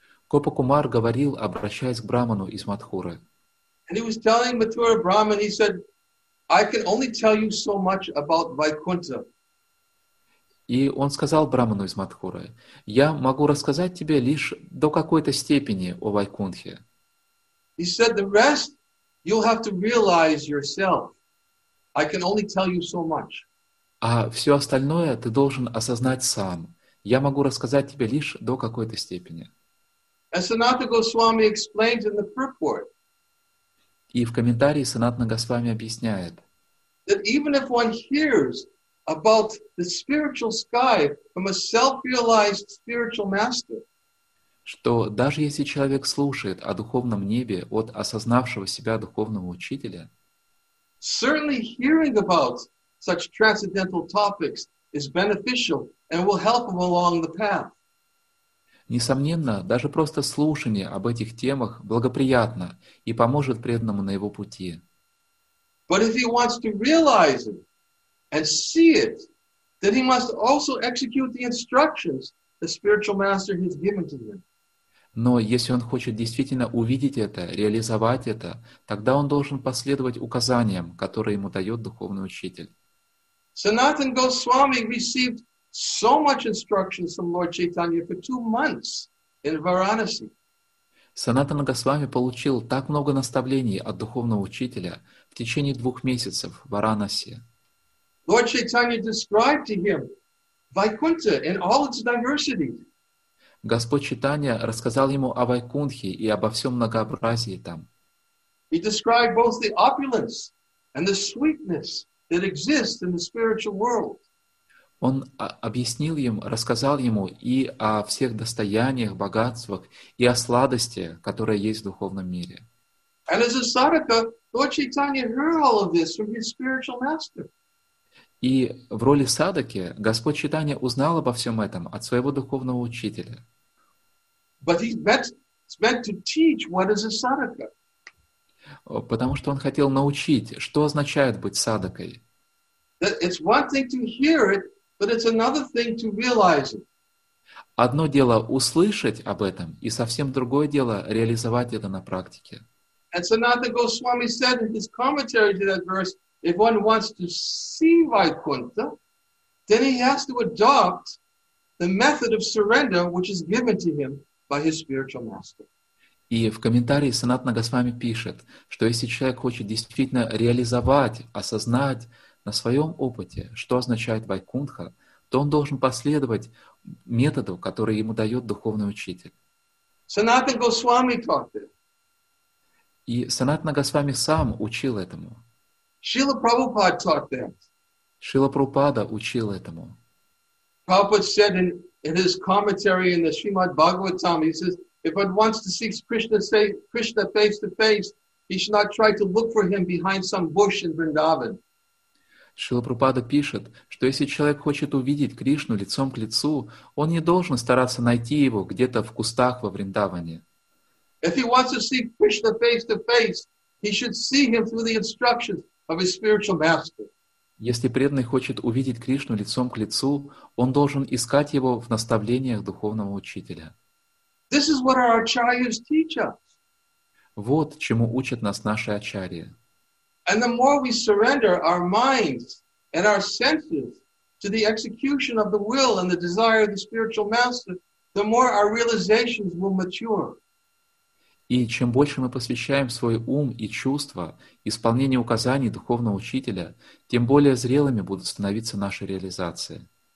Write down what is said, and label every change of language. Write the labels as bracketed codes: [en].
[ru] Gopakumar говорил, обращаясь к Брахману из Матхуры. [en] And he was telling Mathura Brahmin, he said, I can only tell you so much about Vaikuntha. [ru] И он сказал Брахману из Матхуры, я могу рассказать тебе лишь до какой-то степени о Вайкунхе. [en] He said, the rest you'll have to realize yourself. I can only tell you so much. [ru] А все остальное ты должен осознать сам. Я могу рассказать тебе лишь до какой-то степени. [en] As Sanatana Goswami explains in the purport, [ru] и в комментарии Санатана Госвами объясняет, [en] that even if one hears about the spiritual sky from a self-realized spiritual master, [ru] что даже если человек слушает о духовном небе от осознавшего себя духовного учителя, [en] certainly hearing about such transcendental topics is beneficial and will help him along the path. [ru] Несомненно, даже просто слушание об этих темах благоприятно и поможет преданному на его пути. [en] But if he wants to realize it and see it, then he must also execute the instructions the spiritual master has given to him. [ru] Но если он хочет действительно увидеть это, реализовать это, тогда он должен последовать указаниям, которые ему дает духовный учитель. [en] Sanatan Goswami received so much instruction from Lord Chaitanya for 2 months in Varanasi. [ru] Sanatana Goswami получил так много наставлений от духовного учителя в течение 2 месяцев в Варанаси. [en] Lord Chaitanya described to him Vaikuntha in all its diversity. [ru] Господь Чайтанья рассказал ему о Вайкунтхе и обо всем многообразии там. [en] He described both the opulence and the sweetness that exists in the spiritual world. [ru] Он объяснил им, рассказал ему и о всех достояниях, богатствах и о сладости, которые есть в духовном мире. [en] And as a sadhaka, Lord Chaitanya heard all of this from his spiritual master. [ru] И в роли садаки Господь Чайтанья узнал обо всем этом от своего духовного учителя. [en] But he's meant to teach what is a sadhaka. [ru] Потому что он хотел научить, что означает быть садакой. [en] It's one thing to hear it, but it's another thing to realize it. [ru] Одно дело услышать об этом, и совсем другое дело реализовать это на практике. [en] And Sanatana Goswami said in his commentary to that verse, if one wants to see Vaikuntha, then he has to adopt the method of surrender which is given to him by his spiritual master. [ru] И в комментарии Санатана Госвами пишет, что если человек хочет действительно реализовать, осознать на своем опыте, что означает Вайкунтха, то он должен последовать методу, который ему дает духовный учитель. [en] Sanatana Goswami taught it. [ru] И Санатана Госвами сам учил этому. [en] Srila Prabhupada taught that. [ru] Srila Prabhupada учил этому. [en] Prabhupada said in his commentary in the Srimad Bhagavatam, he says, if one wants to see Krishna face to face, he should not try to look for him behind some bush in Vrindavan. [ru] Srila Prabhupada пишет, что если человек хочет увидеть Кришну лицом к лицу, он не должен стараться найти его где-то в кустах во Вриндаване. [en] If he wants to see Krishna face to face, he should see him through the instructions of his spiritual master. [ru] Если преданный хочет увидеть Кришну лицом к лицу, он должен искать его в наставлениях духовного учителя. [en] This is what our acharyas teach us. [ru] Вот чему учат нас наши ачарьи. [en] And the more we surrender our minds and our senses to the execution of the will and the desire of the spiritual master, the more our realizations will mature. [ru] И чем больше мы посвящаем свой ум и чувства исполнению указаний духовного учителя, тем более зрелыми будут становиться наши реализации.